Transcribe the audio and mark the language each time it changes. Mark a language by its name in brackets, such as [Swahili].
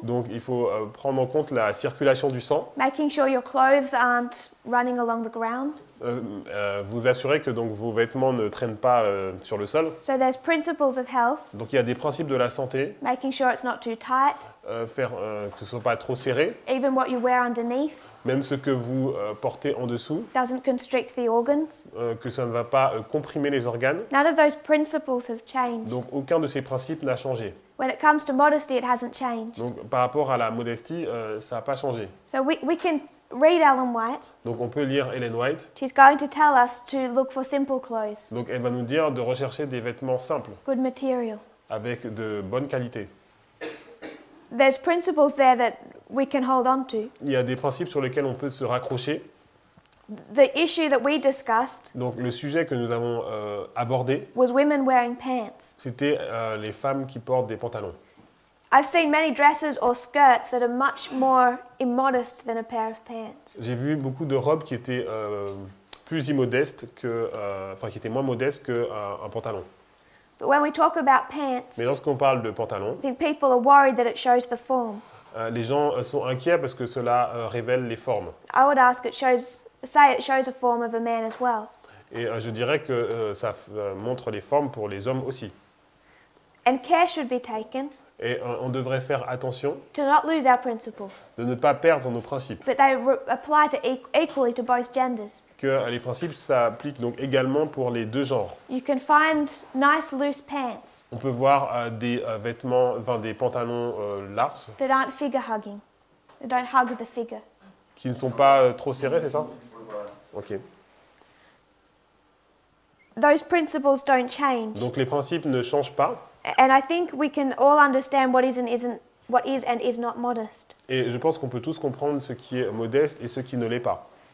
[French] Donc il faut prendre en compte la circulation du sang. [English] Making sure your clothes aren't running along the ground. [French] Vous assurez que donc vos vêtements ne traînent pas sur le sol. [English] So there's principles of health. [French] Donc il y a des principes de la santé. [English] Making sure it's not too tight. [French] Faire que ce soit pas trop serré. [English] Even what you wear underneath. [French] Même ce que vous portez en dessous. [English] Doesn't constrict the organs. [French] Que ça ne va pas comprimer les organes. [English] None of those principles have changed. [French] Donc aucun de ces principes n'a changé. [English] When it comes to modesty, it hasn't changed. [French] Donc par rapport à la modestie, ça n'a pas changé. [English] So we can read Ellen White. [French] Donc on peut lire Ellen White. [English] She's going to tell us to look for simple clothes. [French] Donc elle va nous dire de rechercher des vêtements simples. [English] Good material. [French] Avec de bonnes qualités. [English] There's principles there that we can hold on to. [French] Il y a des principes sur lesquels on peut se raccrocher. [English] The issue that we discussed. [French] Donc le sujet que nous avons abordé. [English] Was women wearing pants. [French] C'était les femmes qui portent des pantalons. [English] I've seen many dresses or skirts that are much more immodest than a pair of pants. [French] J'ai vu beaucoup de robes qui étaient plus immodestes que, enfin qui étaient moins modestes que un pantalon. [English] But when we talk about pants. [French] Mais lorsqu'on parle de pantalons. [English] I think people are worried that it shows the form. [French] Les gens sont inquiets parce que cela révèle les formes. [English] I would ask it shows, say it shows a form of a man as well. [French] Et je dirais que ça montre les formes pour les hommes aussi. [English] And care should be taken. [French] Et on devrait faire attention. [English] To not lose our principles. [French] De ne pas perdre nos principes. [English] But they apply to equally to both genders. [French] Que les principes s'appliquent donc également pour les deux genres. [English] You can find nice loose pants. [French] On peut voir des vêtements, enfin des pantalons larges. [English] That aren't figure hugging. They don't hug the figure. [French] Qui ne sont pas trop serrés, c'est ça? [English] Ok. Those principles don't change. [French] Donc les principes ne changent pas. [English] And I think we can all understand what is and isn't, what is and is not modest. [French] Et je pense qu'on peut tous comprendre ce qui est modeste et ce qui ne l'est pas.